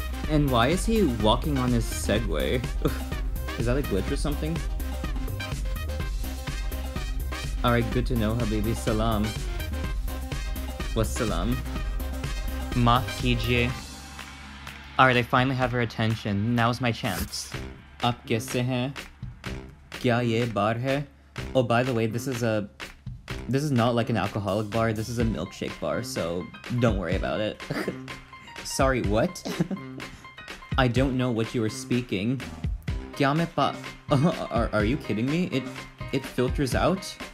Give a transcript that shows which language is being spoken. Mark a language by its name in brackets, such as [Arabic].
[English] And why is he walking on his Segway? Is that a glitch or something? Alright, good to know, Habibi. Salam. [Arabic] Wassalam. [Urdu] Maaf kijiye. [English] Alright, I finally have her attention. Now's my chance. [Urdu] آپ کیسے ہیں؟ کیا یہ بار ہے؟ [English] Oh, by the way, this is not like an alcoholic bar, this is a milkshake bar, so don't worry about it. Sorry, what? I don't know what you were speaking. [Urdu] Kya main pa- [English] are you kidding me? It filters out?